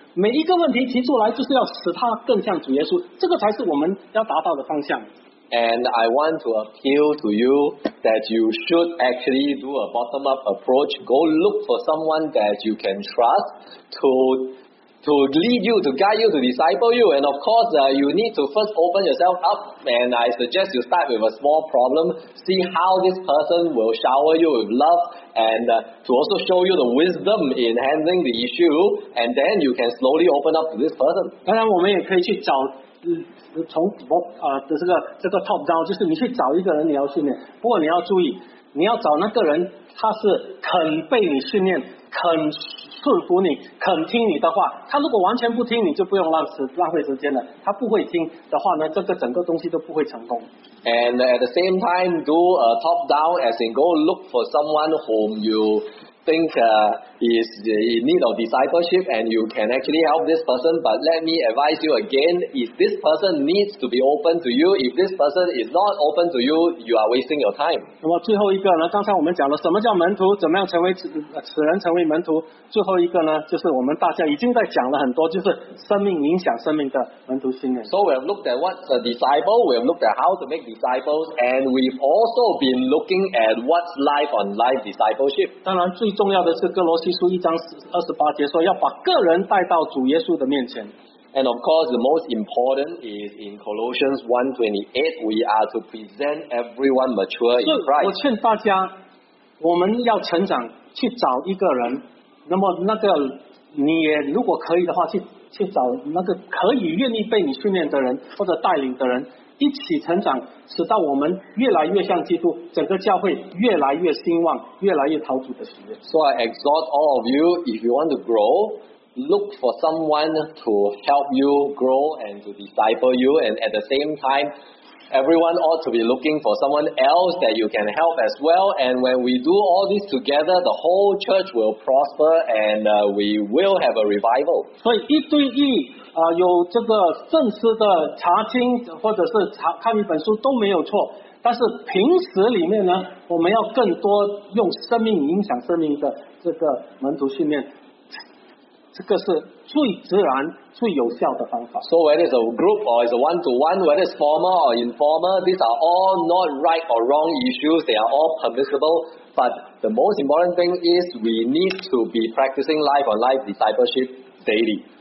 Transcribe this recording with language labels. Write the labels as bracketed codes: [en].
[zh] 每一个问题提出来，就是要使他更像主耶稣，这个才是我们要达到的方向。 [en] And I want to appeal to you that you should actually do a bottom-up approach. Go look for someone that you can trust to lead you, to guide you, to disciple you. And of course, you need to first open yourself up. And I suggest you start with a small problem. See how this person will shower you with love and to also show you the wisdom in handling the issue. And then you can slowly open up to this person. [zh] 当然我们也可以去找从这个 top down， 就是你去找一个人你要训练，不过你要注意，你要找那个人他是肯被你训练，肯顺服你，肯听你的话。他如果完全不听，你就不用浪费时间了。他不会听的话呢，这个整个东西都不会成功。 [en] And at the same time, do a top down, as in go look for someone whom you think is in need of discipleship and you can actually help this person, but let me advise you again, if this person needs to be open to you, if this person is not open to you, you are wasting your time. [zh] 那么最后一个呢，刚才我们讲了什么叫门徒，怎么样成为使人成为门徒，最后一个呢，就是我们大家已经在讲了很多，就是生命影响生命的门徒训练。 [en] So we have looked at what's a disciple, we have looked at how to make disciples, and we've also been looking at what's life on life discipleship. [zh] 当然最重要的是哥罗西书一章二十八节说要把个人带到主耶稣的面前。 [en] And of course the most important is in Colossians 1:28 we are to present everyone mature in Christ. [zh] 我劝大家我们要成长去找一个人，那么那个你也如果可以的话 去找那个可以愿意被你训练的人或者带领的人一起成长，使到我们越来越像基督，整个教会越来越兴旺，越来越讨主的喜悦。 [en] So I exhort all of you, if you want to grow, look for someone to help you grow and to disciple you, and at the same time, everyone ought to be looking for someone else that you can help as well. And when we do all this together, the whole church will prosper and we will have a revival. [zh] 所以一对一。有这个正式的查经或者是查看一本书都没有错，但是平时里面呢，我们要更多用生命影响生命的这个门徒训练，这个是最自然最有效的方法。 [en] So whether it's a group or it's a one-to-one, whether it's formal or informal, these are all not right or wrong issues. They are all permissible. But the most important thing is we need to be practicing life-on-life discipleship daily.